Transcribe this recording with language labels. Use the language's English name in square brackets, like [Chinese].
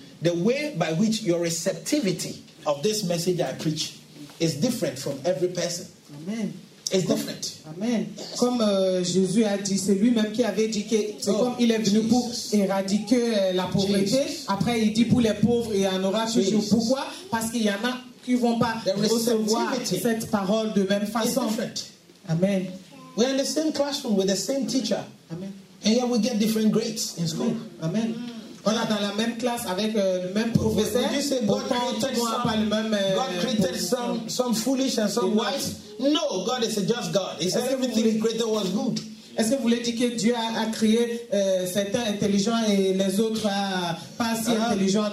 [English] The way by which your receptivity of this message I preach is different from every person. Amen. It's different. Amen. [French] Comme Jésus a dit, c'est lui-même qui avait dit que c'est comme il est venu Jesus. Pour éradiquer la pauvreté. Jesus. Après, il dit pour les pauvres, il y en aura toujours. Pourquoi? Parce qu'il y en a qui ne vont pas recevoir cette parole de même façon. Amen. [English] We're in the same classroom with the same teacher. Amen. And here we get different grades in school. Amen. Amen. [French] On est dans la même classe avec le même professeur. [English] You say God created some foolish and some wise. No, God is a just God. He said everything he created was good. [French] Est-ce que vous voulez dire que Dieu a créé certains intelligents et les autres pas si intelligents?